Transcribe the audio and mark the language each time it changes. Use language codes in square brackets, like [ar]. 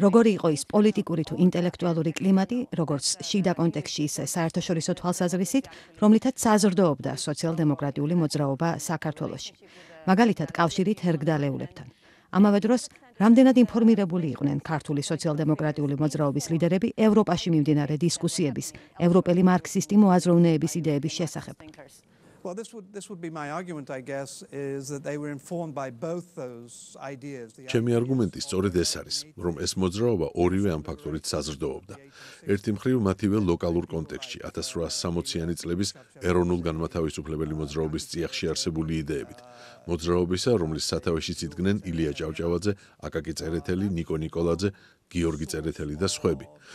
[ka] როგორი იყო ის პოლიტიკური თუ ინტელექტუალური კლიმატი, როგორც შიდა კონტექსში ისე საერთაშორისო თვალსაზრისით, რომლითაც საზრდოობდა სოციალ-დემოკრატიული მოძრაობა საქართველოში? მაგალითად, კავშირით ერგდალეულებთან. ამავე დროს, რამდენად ინფორმირებული იყვნენ ქართული სოციალ-დემოკრატიული მოძრაობის ლიდერები ევროპაში მიმდინარე დისკუსიების, ევროპელი მარქსისტი მოაზროვნეების იდეების შესახებ? [en] Well, this would be my argument, I guess, is that they were informed by both those ideas. [ka] ჩემი არგუმენტი სწორედ ეს არის, რომ ეს მოძრაობა ორივე ამ ფაქტორით საზრდოობდა. ერთი მხრივ მათივე ლოკალურ კონტექსტში, 1860-იანი წლების ეროვნულ განმათავისუფლებელი მოძრაობის წიაღში არსებული იდეებით. მოძრაობისა, რომლის სათავეშიც იდგნენ ილია ჭავჭავაძე, აკაკი წერეთელი, ნიკო ნიკოლაძე, გიორგი წერეთელი და სხვები.